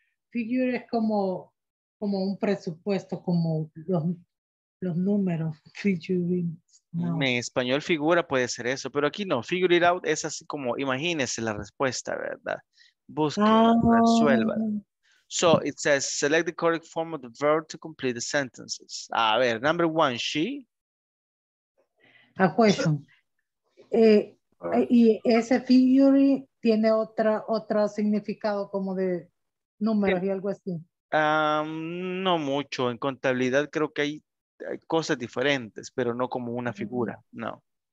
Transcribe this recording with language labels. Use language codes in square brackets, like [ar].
[es] Figure es como un presupuesto, como los números. No. En español figura puede ser eso, pero aquí no. [en] Figure it out [es] es así como imagínese la respuesta, ¿verdad? Busque, resuelva. [en] So it says select the correct form of the verb to complete the sentences. [es] A ver, [en] number one, she. A question. [es] Y ese figure tiene otro significado como de números y algo así. No mucho. En contabilidad creo que hay cosas diferentes, pero no como una figura, no.